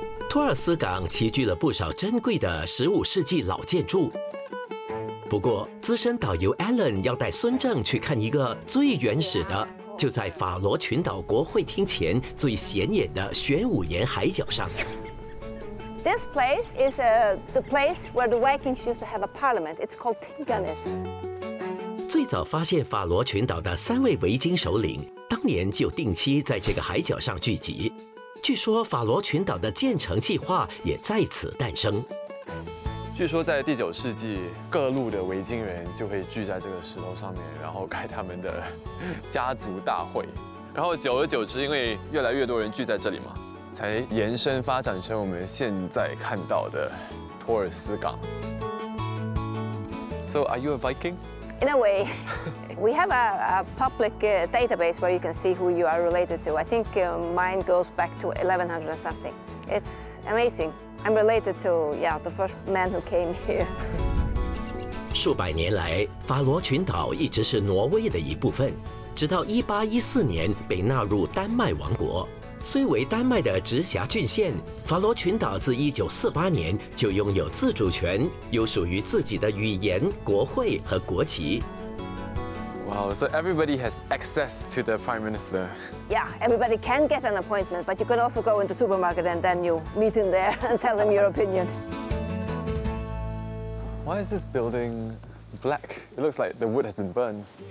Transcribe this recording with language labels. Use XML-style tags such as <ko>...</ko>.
<zh>托尔斯港集聚了不少珍贵的15世纪老建筑。不过，资深导游 Alan 要带孙政去看一个最原始的，就在法罗群岛国会厅前最显眼的玄武岩海角上。</zh> <en>This place is the place where the Vikings used to have a parliament. It's called Tinganis.</en> <zh>最早发现法罗群岛的3位维京首领，当当年就定期在这个海角上聚集。据说法罗群岛的建成计划也在此诞生。据说在第九世纪，各路的维京人就会聚在这个石头上面，然后开他们的家族大会。然后久而久之，因为越来越多人聚在这里嘛，才延伸发展成我们现在看到的托尔斯港。</zh> <en>So are you a Viking? In a way, we have a public database where you can see who you are related to. I think mine goes back to 1100 and something. It's amazing. I'm related to, yeah, the first man who came here.</en> <zh>数百年来，法罗群岛一直是挪威的一部分，直到1814年被纳入丹麦王国。虽为丹麦的直辖郡县，法罗群岛自1948年就拥有自主权，有属于自己的语言、国会和国旗。</zh> <en>Wow, so everybody has access to the prime minister. Yeah, everybody can get an appointment, but you can also go into supermarket and then you meet him there and tell him your opinion. Why is this building black? It looks like the wood has been burned.</en>